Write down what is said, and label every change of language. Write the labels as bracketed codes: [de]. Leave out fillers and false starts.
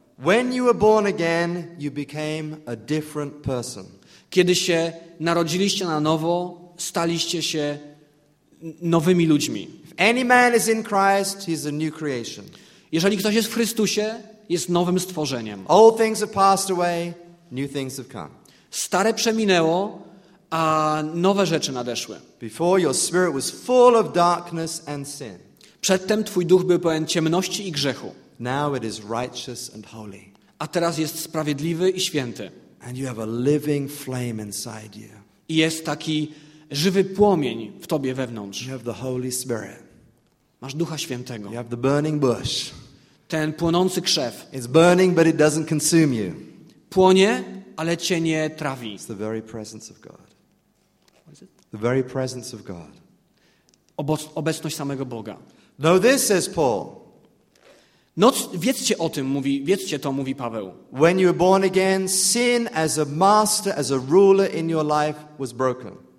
[en] When you were born again, you became a different person. [pl] Kiedy się narodziliście na nowo, staliście się nowymi ludźmi. [en] Any man is in Christ, he is a new creation. [pl] Jeżeli ktoś jest w Chrystusie, jest nowym stworzeniem. [en] All things have passed away, new things have come. [pl] Stare przeminęło, a nowe rzeczy nadeszły. [en] Before your spirit was full of darkness and sin. [pl] Przedtem twój duch był pełen ciemności i grzechu. [en] Now it is righteous and holy. [pl] A teraz jest sprawiedliwy i święty. [en] And you have a living flame inside you. [pl] I jest taki żywy płomień w tobie wewnątrz. [en] You have the Holy Spirit. [pl] Masz Ducha Świętego. [en] You have the burning bush. [pl] Ten płonący krzew. [en] It's burning, but it doesn't consume you. [pl] Płonie, ale cię nie trawi. [en] It's the very presence of God. What is it? The very presence of God. [pl] Obecność samego Boga. [en] Know this, says Paul. [pl] Wiedzcie o tym, mówi Paweł. [en] When you were born again, sin as a master, as a ruler in your life was broken.